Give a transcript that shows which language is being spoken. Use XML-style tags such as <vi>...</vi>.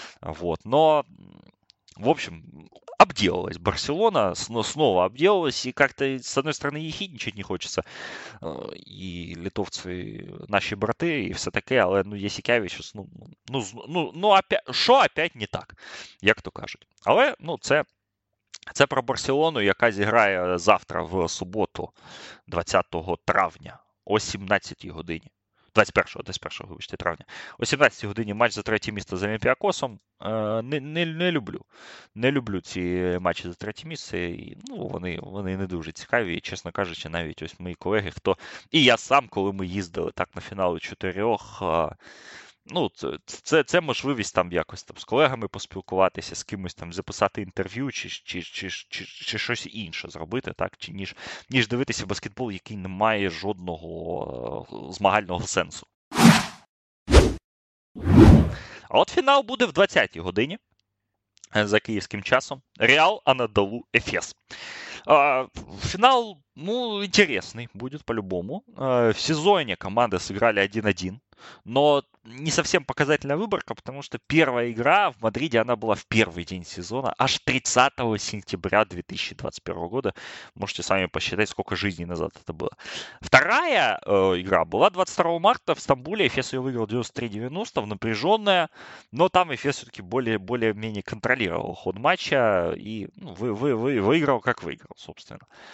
<ru>Вот, но, в общем, обделалась Барселона, снова обделалась, и как-то, с одной стороны, ехидничать не хочется. И литовцы, наши браты, и все такое, але, ну, Ясикевич, ну, опять, шо опять не так,</ru> <uk>як то кажуть. Але, ну, це про Барселону, яка зіграє завтра в суботу, 20 травня, о 17 годині. 21-го, вибачте, травня. О 17-й годині матч за третє місце з Олімпіакосом. Не люблю. Не люблю ці матчі за третє місце. І, ну, вони не дуже цікаві. І, чесно кажучи, навіть ось мої колеги, хто... І я сам, коли ми їздили так на фінали чотирьох, ну, це можливість там якось там з колегами поспілкуватися, з кимось там записати інтерв'ю, чи щось інше зробити, так, чи ніж дивитися баскетбол, який не має жодного змагального сенсу. А от фінал буде в 20-й годині за київським часом. Реал Анадолу Ефес. Фінал, ну, інтересний буде по-любому. В сезоні команди зіграли 1-1.</uk> <ru>Но не совсем показательная выборка, потому что первая игра в Мадриде, она была в первый день сезона, аж 30 сентября 2021 года. Можете сами посчитать, сколько жизней назад это было. Вторая игра была 22 марта в Стамбуле. Эфес ее выиграл 93-90, напряженная. Но там Эфес все-таки более-менее контролировал ход матча и, ну, выиграл, как выиграл, собственно.</ru>